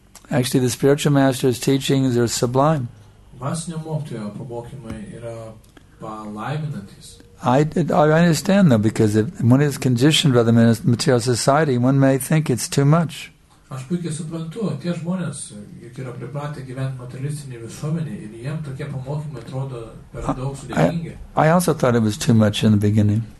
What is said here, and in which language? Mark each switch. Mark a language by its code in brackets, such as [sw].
[en] Actually, the spiritual master's teachings are sublime. I understand though, because when it's conditioned by the material society, one may think it's too much. [lt] Aš puikiai suprantu, tie žmonės, juk yra pripratę gyventi materialistinį visuomenį ir jiem tokie pamokymai atrodo per daug sudėtingi. [en] I also thought it was too much in the beginning.